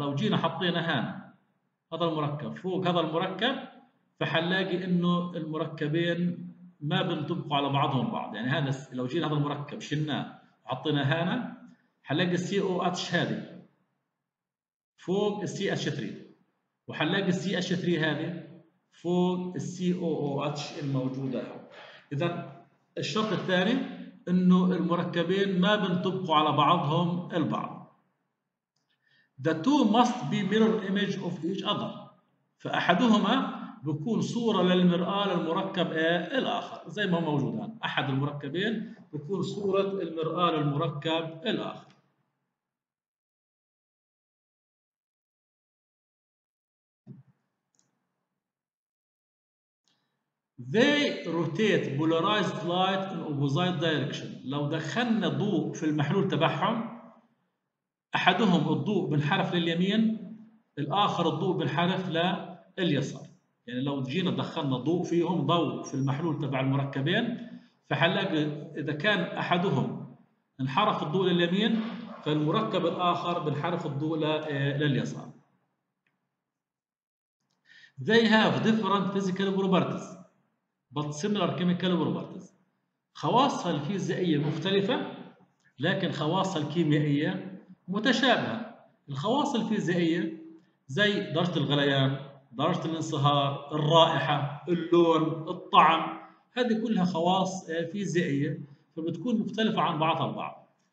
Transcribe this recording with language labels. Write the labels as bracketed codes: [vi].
[ar] لو جينا حطينا هان هذا المركب فوق هذا المركب فحنلاقي انه المركبين ما بينطبقوا على بعضهم بعض، يعني هذا لو جينا هذا المركب شلناه وحطيناه هنا حنلاقي السي او اتش هذه فوق السي اتش 3 وحنلاقي السي اتش 3 هذه فوق السي او او اتش الموجوده. اذا الشرط الثاني انه المركبين ما بينطبقوا على بعضهم البعض. [en] The two must be mirror image of each other. [ar] فاحدهما بكون صورة للمرآة للمركب الآخر زي ما هو موجود هنا، أحد المركبين بكون صورة المرآة للمركب الآخر. [en] They rotate polarized light in opposite direction. [ar] لو دخلنا ضوء في المحلول تبعهم أحدهم الضوء بنحرف لليمين الآخر الضوء بنحرف لليسار. يعني لو جينا دخلنا ضوء فيهم ضوء في المحلول تبع المركبين فحنلاقي اذا كان احدهم انحرف الضوء لليمين فالمركب الاخر بنحرف الضوء لليسار. [en] They have different physical properties but similar chemical properties. [ar] خواصها الفيزيائيه مختلفه لكن خواصها الكيميائيه متشابهه. الخواص الفيزيائيه زي درجه الغليان، درجة الانصهار، الرائحة، اللون، الطعم، هذه كلها خواص فيزيائية فبتكون مختلفة عن بعضها البعض.